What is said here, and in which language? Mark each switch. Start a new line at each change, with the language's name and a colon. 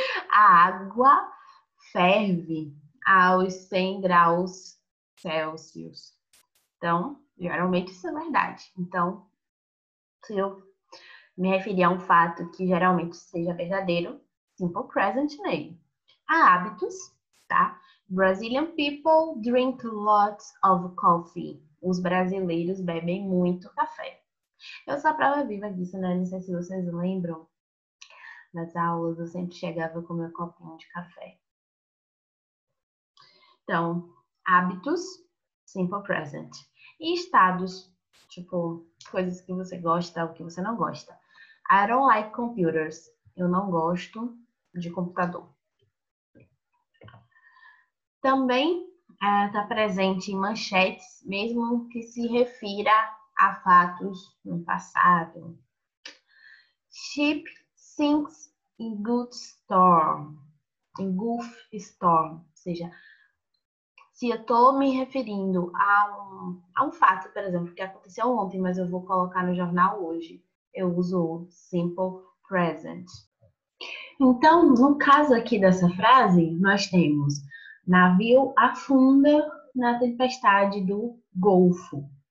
Portuguese: A água ferve aos 100 graus Celsius. Então, geralmente isso é verdade. Então, se eu me referir a um fato que geralmente seja verdadeiro, simple present nele. Há hábitos, tá?
English: Brazilian people drink lots of coffee.
Portuguese: Os brasileiros bebem muito café. Eu sou a prova viva disso, né? Não sei se vocês lembram. Nas aulas eu sempre chegava com meu copinho de café. Então, hábitos, simple present. E estados, tipo, coisas que você gosta ou que você não gosta.
English: I don't like computers.
Portuguese: Eu não gosto de computador. Também está presente em manchetes, mesmo que se refira a fatos no passado.
English: Ship sinks in good storm. In gulf storm.
Portuguese: Ou seja, se eu estou me referindo a um fato, por exemplo, que aconteceu ontem, mas eu vou colocar no jornal hoje, eu uso o simple present. Então, no caso aqui dessa frase, nós temos navio afunda na tempestade do Golfo.